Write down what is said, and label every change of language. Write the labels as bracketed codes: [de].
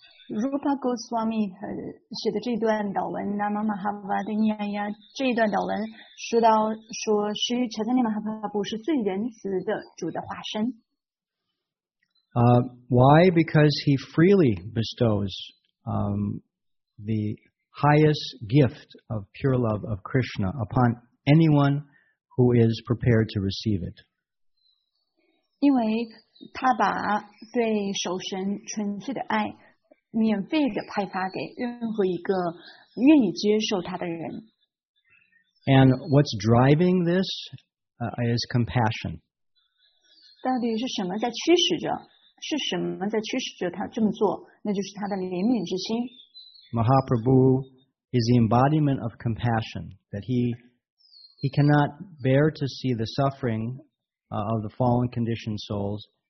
[zh] Rupa Goswami 写的这段祷文 Namo Mahavandanaya 这一段祷文说 Sri Chaitanya Mahaprabhu 是最仁慈的主的化身。 [en] Why? Because he freely bestows the highest gift of pure love of Krishna upon anyone who is prepared to receive it. [zh] 因为他把对守神纯粹的爱免费的派发给任何一个愿意接受他的人。 [en] And what's driving this is compassion. [zh] 到底是什么在驱使着？是什么在驱使着他这么做？那就是他的怜悯之心。 [en] Mahaprabhu is the embodiment of compassion, that he cannot bear to see the suffering of the fallen conditioned souls.